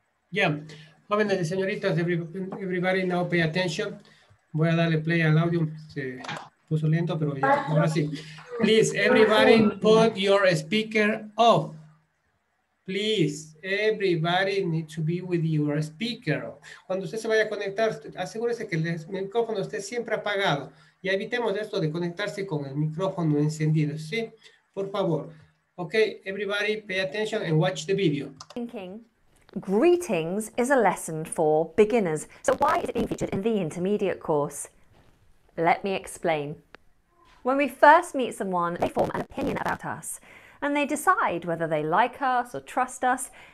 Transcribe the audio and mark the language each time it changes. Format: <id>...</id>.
<en>Yeah,</en> <es>jóvenes y señoritas,</es> <en>everybody now pay attention.</en> <es>Voy a darle play al audio. Se puso lento, pero ya, ahora sí.</es> <en>Please, everybody put your speaker off. Please, everybody need to be with your speaker.</en> <es>Cuando usted se vaya a conectar, asegúrese que el micrófono esté siempre apagado. Y evitemos esto de conectarse con el micrófono encendido, ¿sí? Por favor.</es> <en>Okay, everybody pay attention and watch the video. Thinking. Greetings is a lesson for beginners. So why is it being featured in the intermediate course? Let me explain. When we first meet someone, they form an opinion about us. And they decide whether they like us or trust us.</en>